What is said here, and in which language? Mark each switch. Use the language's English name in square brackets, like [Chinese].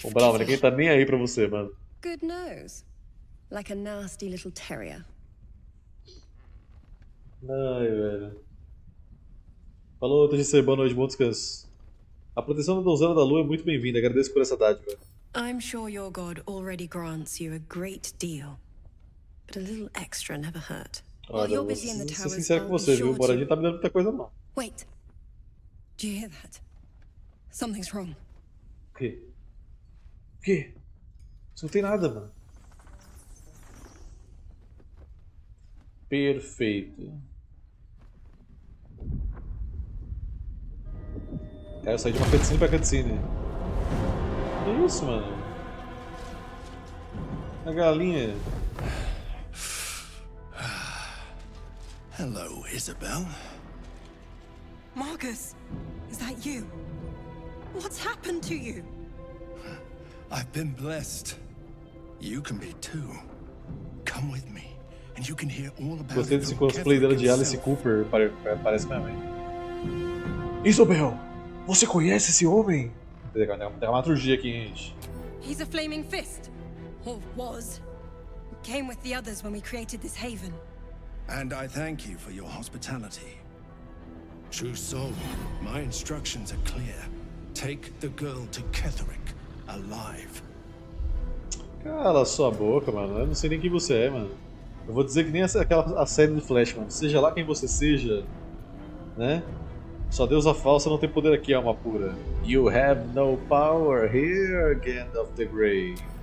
[Portuguese] O Brown, ninguém tá nem aí pra você, mano. [English] Good nose. Like a nasty little terrier. [Portuguese] Ai, velho. Falou, eu tô de ser boa noite, bom descanso. A proteção da donzela da lua é muito bem-vinda, agradeço por essa dádiva. [English] I'm sure your god already grants you a great deal. But a little extra never hurt. [Portuguese] Olha, vou ser sincero com você, viu? O Boradinho tá me dando muita coisa mal. [English] Wait. Do you hear that? Something's wrong. [Portuguese] O quê? O quê? Não tem nada, mano. Perfeito. É, eu saí de uma cutscene pra cutscene. Que isso, mano? A galinha. [English] Hello, Isabel. Marcus, is that you? What's happened to you? I've been blessed. You can be too. Come with me, and you can hear all about it. [Portuguese] Gostei desse cosplay dela de Alice Cooper, parece minha mãe. Isabel! Você conhece esse homem? Tem uma dramaturgia aqui, gente. [English] He's a flaming fist. Or was. Came with the others when we created this haven. And I thank you for your hospitality. True soul, my instructions are clear. Take the girl to Ketherick alive. [Portuguese] Cala sua boca, mano. Eu não sei nem quem você é, mano. Eu vou dizer que nem a série do Flash, mano. Seja lá quem você seja, né? Só deusa falsa não tem poder aqui, alma pura. [English] You have no power here, Gandalf the Grey.